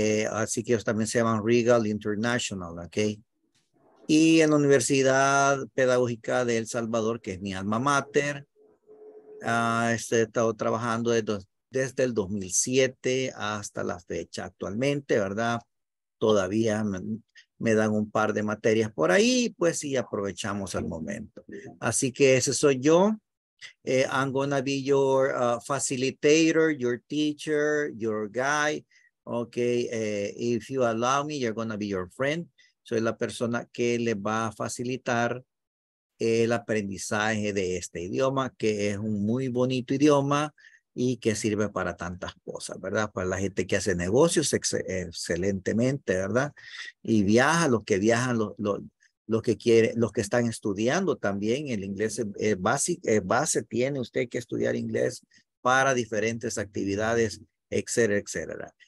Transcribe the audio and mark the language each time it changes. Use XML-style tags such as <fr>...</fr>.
<es>Así que ellos también se llaman Regal International, ¿ok? Y en la Universidad Pedagógica de El Salvador, que es mi alma mater, he estado trabajando desde el 2007 hasta la fecha actualmente, ¿verdad? Todavía me dan un par de materias por ahí, pues, y aprovechamos el momento. Así que ese soy yo.</es> <en>I'm gonna be your facilitator, your teacher, your guide. Okay, if you allow me, you're gonna be your friend.</en> <es>Soy la persona que le va a facilitar el aprendizaje de este idioma, que es un muy bonito idioma y que sirve para tantas cosas, ¿verdad? Para la gente que hace negocios excelentemente, ¿verdad? Y viaja, los que viajan, los que están estudiando también, el inglés base tiene usted que estudiar inglés para diferentes actividades, etcétera, etcétera.</es>